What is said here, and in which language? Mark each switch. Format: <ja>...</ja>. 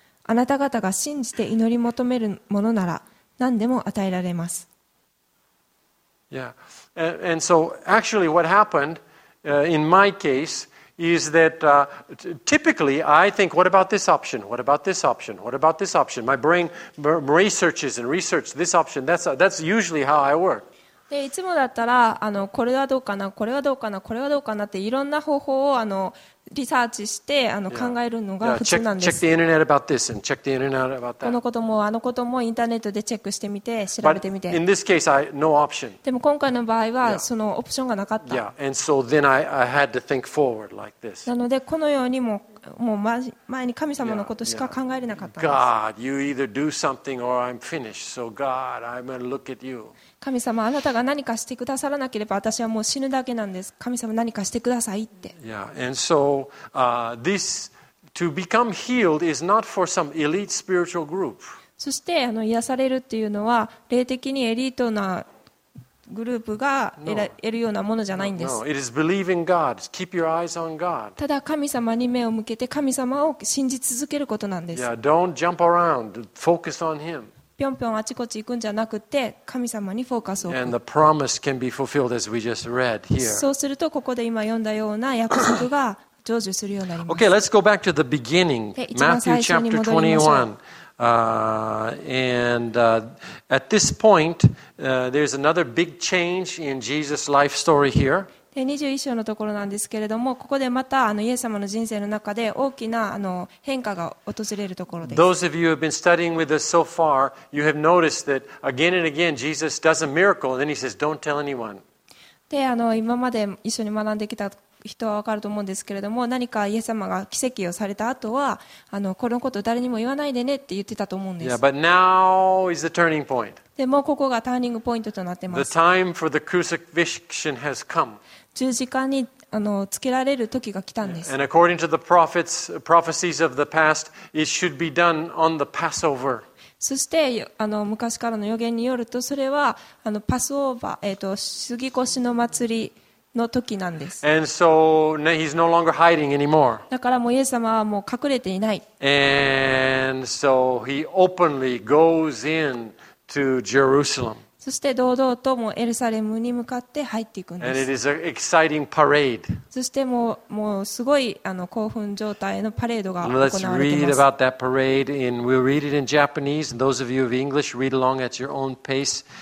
<ja>あなた方が信じて祈り求めるものなら、何でも与えられます。</ja> <en>Yeah, and so actually what happened in my case is that typically I think, what about this option? What about this option? What about this option? My brain researches and researches this option. That's usually how I work.</en> <ja>でいつもだったらこれはどうかな、これはどうかな、これはどうかなっていろんな方法をリサーチして考えるのが普通なんです。</ja> <en>check the internet about this and check the internet about that.</en> <ja>このこともあのこともインターネットでチェックしてみて調べてみて。</ja> <en>But in this case, no option.</en> <ja>でも今回の場合はそのオプションがなかった。</ja> <en>Yeah, and so then I had to think forward like this.</en> <ja>なのでこのようにもう前に神様のことしか考えれなかったんです。</ja> <en>God, you either do something or I'm finished. So God, I'm going to look at you.</en> <ja>神様、あなたが何かしてくださらなければ私はもう死ぬだけなんです。神様、何かしてくださいって。</ja> <en>Yeah, and so, this to become healed is not for some elite spiritual group.</en> <ja>そして癒されるっていうのは霊的にエリートなグループが得るようなものじゃないんです。</ja> <en>No, it is believing God. Keep your eyes on God.</en> <ja>ただ神様に目を向けて神様を信じ続けることなんです。</ja> <en>Yeah, don't jump around. Focus on Him.</en> <ja>ぴょんぴょんあちこち行くんじゃなくて神様にフォーカスを。</ja> <en>And the promise can be fulfilled as we just read here.</en> <ja>そうするとここで今読んだような約束が成就するようになります。</ja> <en>Okay, let's go back to the beginning. Matthew chapter 21. At this point, there's another big change in Jesus' life story here.</en> <ja>で21章のところなんですけれども、ここでまたあのイエス様の人生の中で大きなあの変化が訪れるところです。</ja> <en>Those of you who have been studying with us so far, you have noticed that again and again Jesus does a miracle and then he says, don't tell anyone.</en> <ja>で、あの今まで一緒に学んできた人は分かると思うんですけれども、何かイエス様が奇跡をされた後はあのこのこと誰にも言わないでねって言ってたと思うんです。</ja> <en>Yeah, but now is the turning point.</en> <ja>でもここがターニングポイントとなってます。</ja> <en>The time for the crucifixion has come.</en> <ja>十字架にあのつけられる時が来たんです。</ja> <en>And according to the prophets, prophecies of the past, it should be done on the Passover.</en> <ja>そしてあの昔からの予言によると、それはあのパスオーバー、過ぎ越しの祭りの時なんです。</ja> <en>And so, he's no longer hiding anymore.</en> <ja>だからもうイエス様はもう隠れていない。</ja> <en>And so, he openly goes in to Jerusalem.</en> <ja>そして堂々ともエルサレムに向かって入っていくんです。</ja> <en>And it is an exciting parade.</en> <ja>そしてもうすごいあの興奮状態のパレードが行われています</ja> <en>Let's read about that parade. We'll read it in Japanese. Those of you of English, read along at your own pace.</en>